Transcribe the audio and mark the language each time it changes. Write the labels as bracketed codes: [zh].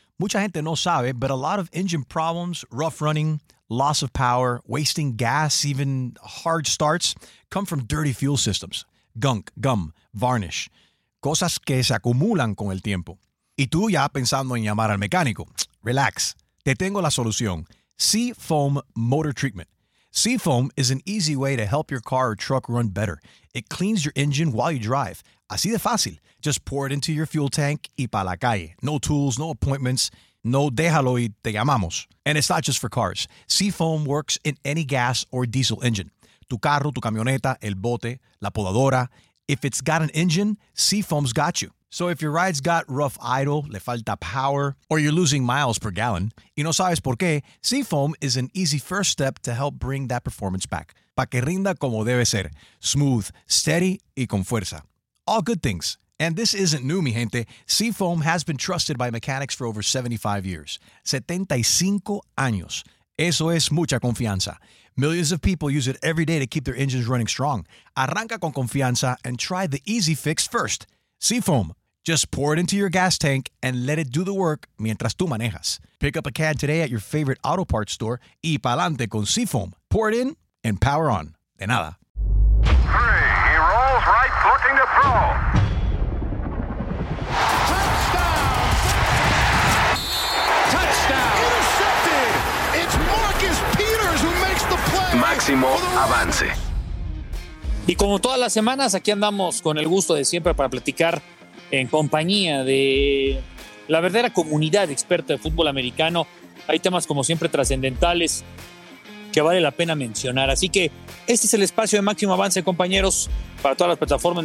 [es] Mucha gente no sabe, [en] but a lot of engine problems, rough running, loss of power, wasting gas, even hard starts, come from dirty fuel systems. Gunk, gum, varnish. [es] Cosas que se acumulan con el tiempo. Y tú ya pensando en llamar al mecánico. Relax. Te tengo la solución. Seafoam Motor Treatment. [en] Seafoam is an easy way to help your car or truck run better. It cleans your engine while you drive. [es] Así de fácil. [en] Just pour it into your fuel tank [es] y pa' la calle. [en] No tools, no appointments, [es] no déjalo y te llamamos. [en] And it's not just for cars. Seafoam works in any gas or diesel engine. [es] Tu carro, tu camioneta, el bote, la podadora. [en] If it's got an engine, Seafoam's got you. So if your ride's got rough idle, [es] le falta [en] power, or you're losing miles per gallon, [es] y no sabes por qué, [en] Seafoam is an easy first step to help bring that performance back. Pa' que rinda como debe ser. Smooth, steady, y con fuerza. All good things. And this isn't new, [es] mi gente. [en] Seafoam has been trusted by mechanics for over 75 years. [es] 75 años. Eso es mucha confianza. [en] Millions of people use it every day to keep their engines running strong. [es] Arranca con confianza [en] and try the easy fix first. Seafoam. Just pour it into your gas tank and let it do the work [es] mientras tú manejas. [en] Pick up a can today at your favorite auto parts store [es] y pa'lante con [en] Seafoam. Pour it in and power on. [es] De nada. [en] Three. He rolls right, looking to throw. Touchdown! Touchdown! Intercepted! It's Marcus Peters who makes the play. [es] Máximo avance. Y como todas las semanas, aquí andamos con el gusto de siempre para platicar en compañía de la verdadera comunidad experta de fútbol americano. Hay temas, como siempre, trascendentales que vale la pena mencionar. Así que este es el espacio de Máximo Avance, compañeros, para todas las plataformas.